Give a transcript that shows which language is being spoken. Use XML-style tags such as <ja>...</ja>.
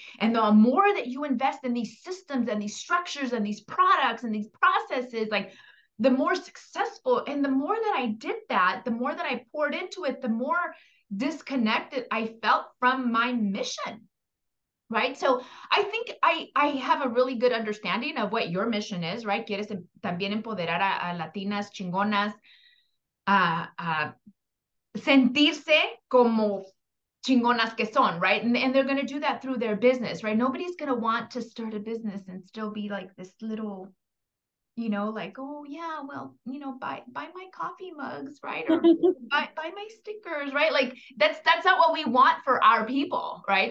<en>And the more that you invest in these systems and these structures and these products and these processes, like, the more successful. And the more that I did that, the more that I poured into it, the more disconnected I felt from my mission. Right. So I think I have a really good understanding of what your mission is, right?</en> <es>Quieres también empoderar a Latinas chingonas, sentirse como chingonas que son, right?</es> <en>And they're going to do that through their business, right? Nobody's going to want to start a business and still be like this little, you know, like, oh yeah, well, you know, buy my coffee mugs, right? Or buy my stickers, right? Like that's not what we want for our people, right?</en>